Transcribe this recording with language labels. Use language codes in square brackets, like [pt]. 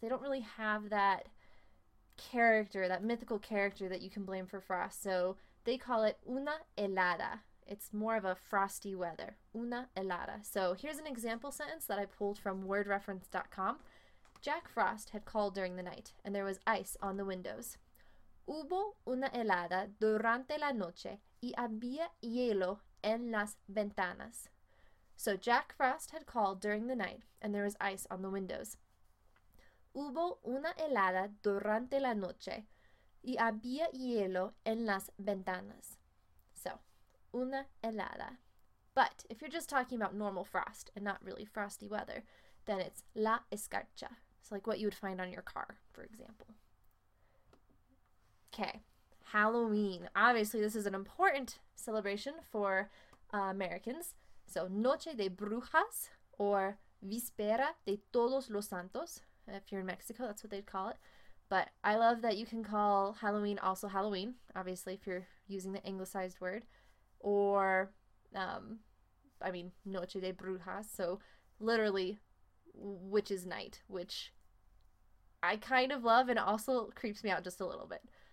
[en] They don't really have that character, that mythical character that you can blame for frost. So they call it una helada. It's more of a frosty weather, una helada. So here's an example sentence that I pulled from wordreference.com. Jack Frost had called during the night, and there was ice on the windows. [es] Hubo una helada durante la noche y había hielo en las ventanas. [en] So Jack Frost had called during the night, and there was ice on the windows. [es] Hubo una helada durante la noche y había hielo en las ventanas. So, una helada. [en] But if you're just talking about normal frost and not really frosty weather, then it's la escarcha. So like what you would find on your car, for example. Okay. Halloween. Obviously, this is an important celebration for Americans. [es] So, Noche de Brujas, or Víspera de Todos los Santos. [en] If you're in Mexico, that's what they'd call it. But I love that you can call Halloween also Halloween, obviously, if you're using the anglicized word. [es] Or, Noche de Brujas. [en] So, literally, Witch's Night, which I kind of love and also creeps me out just a little bit.